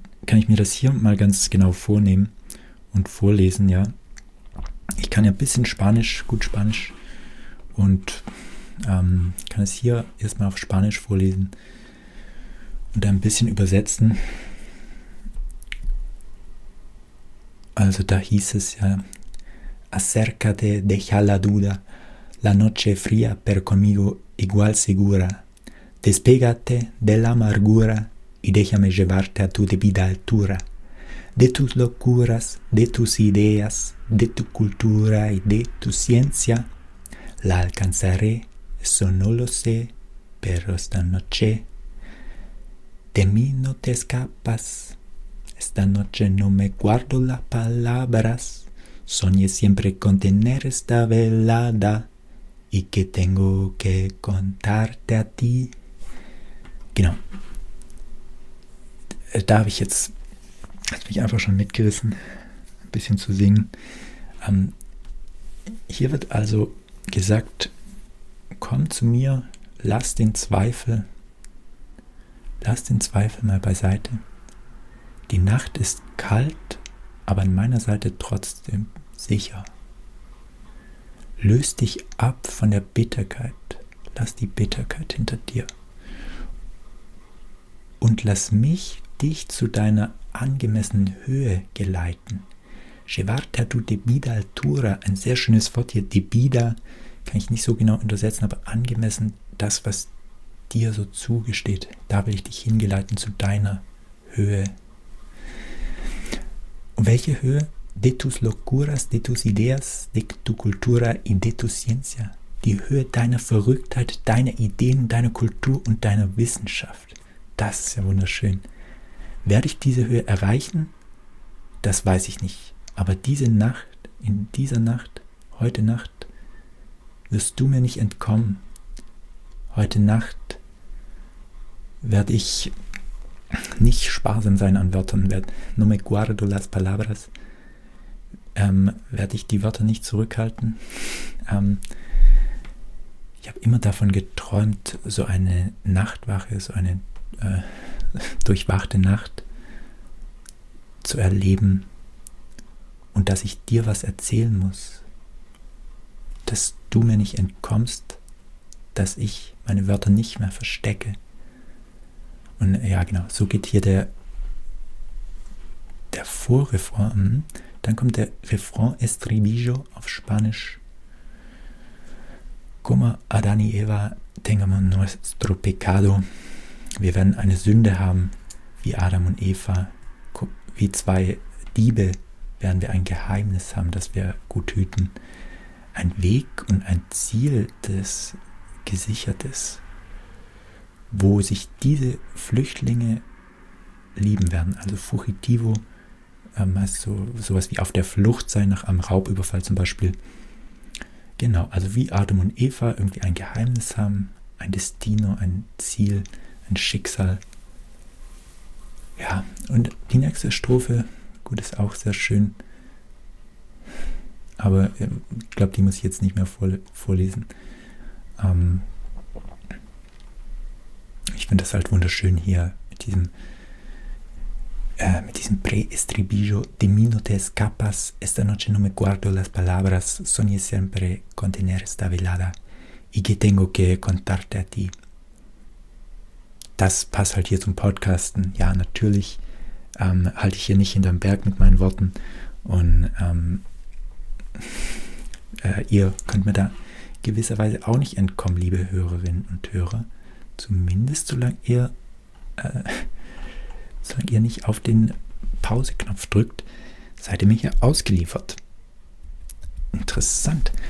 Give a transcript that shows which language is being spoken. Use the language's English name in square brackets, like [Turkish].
[German] kann ich mir das hier mal ganz genau vornehmen und vorlesen, ja. Ich kann ja ein bisschen Spanisch, gut Spanisch, und kann es hier erstmal auf Spanisch vorlesen und ein bisschen übersetzen. Also da hieß es ja, [Spanish] acércate, deja la duda, la noche fría, pero conmigo igual segura. Despégate de la amargura y déjame llevarte a tu debida altura. De tus locuras, de tus ideas, de tu cultura y de tu ciencia, la alcanzaré, eso no lo sé, pero esta noche de mí no te escapas. Esta noche no me guardo las palabras, soñé siempre con tener esta velada y que tengo que contarte a ti. [German] Genau. Da habe ich jetzt, hat mich einfach schon mitgerissen, ein bisschen zu singen. Hier wird also gesagt, komm zu mir, lass den Zweifel mal beiseite. Die Nacht ist kalt, aber an meiner Seite trotzdem sicher. Löst dich ab von der Bitterkeit, lass die Bitterkeit hinter dir. Und lass mich dich zu deiner angemessenen Höhe geleiten. [Spanish] Llevarte a tu debida altura, [German] ein sehr schönes Wort hier, debida, kann ich nicht so genau untersetzen, aber angemessen, das, was dir so zugesteht, da will ich dich hingeleiten zu deiner Höhe. Und welche Höhe? [Spanish] De tus locuras, de tus ideas, de tu cultura y de tu ciencia. [German] Die Höhe deiner Verrücktheit, deiner Ideen, deiner Kultur und deiner Wissenschaft. Das ist ja wunderschön. Werde ich diese Höhe erreichen? Das weiß ich nicht. Aber diese Nacht, in dieser Nacht, heute Nacht, wirst du mir nicht entkommen. Heute Nacht werde ich nicht sparsam sein an Wörtern. [Spanish] No me guardo las palabras. [German] Werde ich die Wörter nicht zurückhalten. Ich habe immer davon geträumt, so eine Nachtwache, so eine durchwachte Nacht zu erleben und dass ich dir was erzählen muss, dass du mir nicht entkommst, dass ich meine Wörter nicht mehr verstecke. Und ja, genau, so geht hier der Vorrefrain. Dann kommt der Refrain Estribillo auf Spanisch. [Spanish] Como Adán y Eva tengamos nuestro pecado. [German] Wir werden eine Sünde haben, wie Adam und Eva, wie zwei Diebe werden wir ein Geheimnis haben, das wir gut hüten. Ein Weg und ein Ziel des Gesichertes, wo sich diese Flüchtlinge lieben werden. Also Fugitivo heißt sowas wie auf der Flucht sein, nach einem Raubüberfall zum Beispiel. Genau, also wie Adam und Eva irgendwie ein Geheimnis haben, ein Destino, ein Ziel, ein Schicksal. Ja, und die nächste Strophe, gut, ist auch sehr schön. Aber ich glaube, die muss ich jetzt nicht mehr vorlesen. Ich finde das halt wunderschön hier mit diesem Pre-Estribillo. [Spanish] De mí no te escapas, esta noche no me guardo las palabras, soñé siempre con tener esta velada y que tengo que contarte a ti. [German] Das passt halt hier zum Podcasten. Ja, natürlich halte ich hier nicht hinterm Berg mit meinen Worten. Und ihr könnt mir da gewisserweise auch nicht entkommen, liebe Hörerinnen und Hörer. Zumindest solange ihr nicht auf den Pauseknopf drückt, seid ihr mir hier ausgeliefert. Interessant.